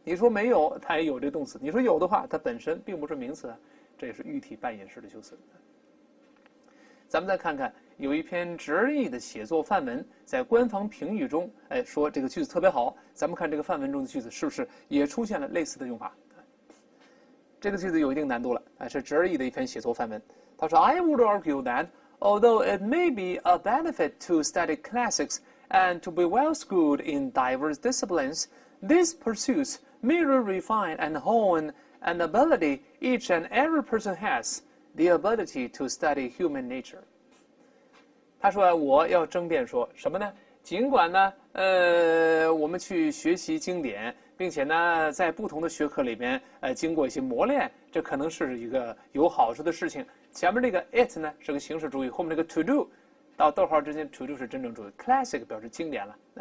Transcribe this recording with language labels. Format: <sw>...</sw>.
<zh>你说没有，它也有这动词；你说有的话，它本身并不是名词，这也是喻体半隐式的修辞。咱们再看看，有一篇直译的写作范文，在官方评语中，哎，说这个句子特别好。咱们看这个范文中的句子是不是也出现了类似的用法？这个句子有一定难度了，是直译的一篇写作范文。他说</zh> <en>"I would argue that although it may be a benefit to study classics and to be well-schooled in diverse disciplines, these pursuits merely refine and hone an ability each and every person has, the ability to study human nature."</en> <zh>他说："我要争辩说什么呢？尽管呢，我们去学习经典，并且呢，在不同的学科里边，经过一些磨练，这可能是一个有好处的事情。前面这个 it 呢，是个形式主语，后面这个 to do，到逗号之间，to do 是真正主语，classic 表示经典了。</zh>